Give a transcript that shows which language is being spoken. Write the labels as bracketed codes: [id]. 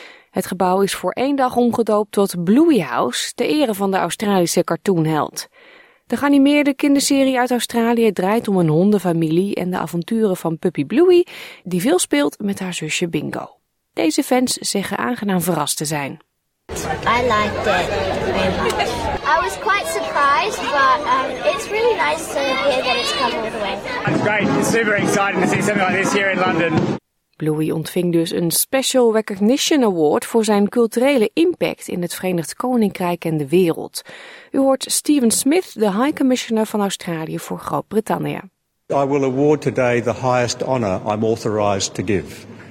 [nl] Het gebouw is voor één dag omgedoopt tot Bluey House, ter ere van de Australische cartoonheld. De geanimeerde kinderserie uit Australië draait om een hondenfamilie en de avonturen van puppy Bluey, die veel speelt met haar zusje Bingo. Deze fans zeggen aangenaam verrast te zijn. [en] I liked it very much. I was quite surprised, but it's really nice to hear that it's come all the way. It's great. It's super exciting to see something like this here in London. [nl] Bluey ontving dus een Special Recognition Award voor zijn culturele impact in het Verenigd Koninkrijk en de wereld. U hoort Stephen Smith, de High Commissioner van Australië voor Groot-Brittannië. [en] I will award today the highest honor I'm authorized to give.